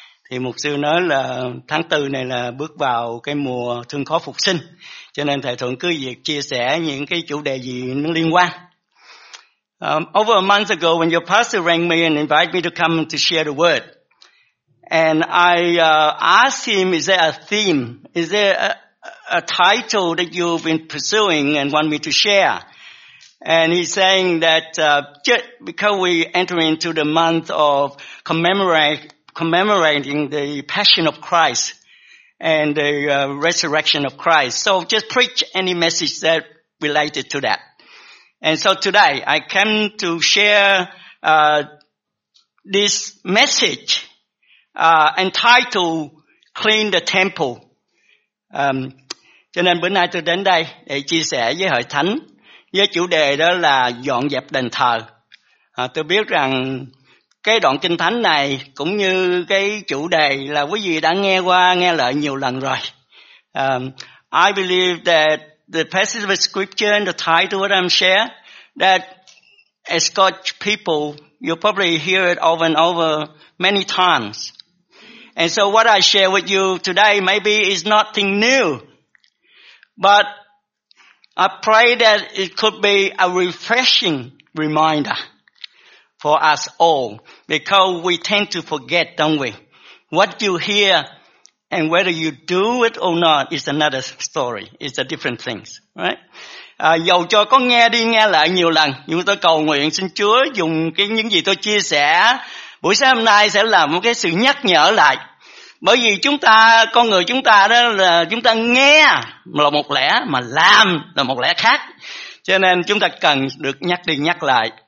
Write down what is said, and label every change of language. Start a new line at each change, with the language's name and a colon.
Vietnamese: Thì mục sư nói là tháng 4 này là bước vào cái mùa thương khó phục sinh. Cho nên Thầy Thuận cứ việc chia sẻ những cái chủ đề gì nó liên quan.
English: Over a month ago when your pastor rang me and invited me to come to share the word. And I asked him, is there a theme? Is there a title that you've been pursuing and want me to share? And he's saying that just because we enter into the month of commemorating the passion of Christ and the resurrection of Christ. So just preach any message that related to that. And so today I came to share this message entitled Clean the Temple.
Vietnamese: Cho nên bữa nay tôi đến đây để chia sẻ với Hội Thánh với chủ đề đó là dọn dẹp đền thờ. Tôi biết rằng cái đoạn kinh thánh này cũng như cái chủ đề là quý vị đã nghe qua, nghe lại nhiều lần rồi.
English: I believe that the passage of scripture and the title that I'm sharing, that as God's people, you probably hear it over and over many times. And so what I share with you today maybe is nothing new. But I pray that it could be a refreshing reminder for us all, because we tend to forget, don't we? What you hear and whether you do it or not is another story. It's a different thing, right?
Vietnamese: Dầu cho có nghe đi nghe lại nhiều lần, nhưng tôi cầu nguyện xin Chúa dùng cái những gì tôi chia sẻ buổi sáng hôm nay sẽ là một cái sự nhắc nhở lại. Bởi vì chúng ta, con người chúng ta đó là chúng ta nghe là một lẽ mà làm là một lẽ khác. Cho nên chúng ta cần được nhắc đi nhắc lại